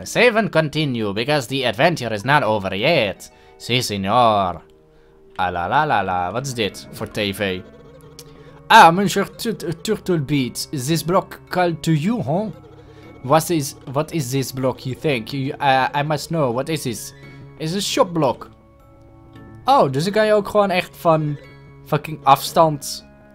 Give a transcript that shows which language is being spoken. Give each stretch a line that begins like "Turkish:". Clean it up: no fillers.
English: Save and continue, because the adventure is not over yet.
Spanish: Si, senor.
Dutch: Ah la la la la, wat is dit voor tv?
French: Ah, monsieur Turtle Beats.
English: Is this block called to you, huh? What is this block, you think? I must know, what is this?
Dutch: Is een shopblok. Oh, dus dan kan je ook gewoon echt van fucking afstand.